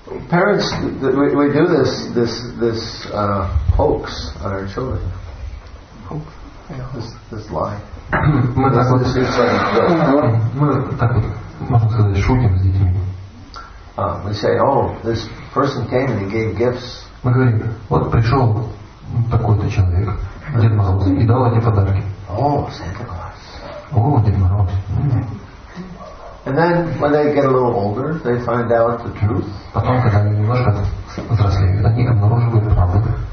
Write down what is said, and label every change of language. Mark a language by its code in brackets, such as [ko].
[en] Parents, we do this hoax on our children. Hoax? This lie. [ru] Мы так вот, можно сказать, шутим с детьми. [en] We say, oh, this person came and he gave gifts. [ru] Мы говорим, вот пришел такой-то человек, Дед Мороз, и дал эти подарки. [en] Oh, Santa Claus. [ru] Oh, Дед Мороз. [en] And then when they get a little older, they find out the truth. [ru] Потом, когда они немножко взрослеют, они обнаруживают правду.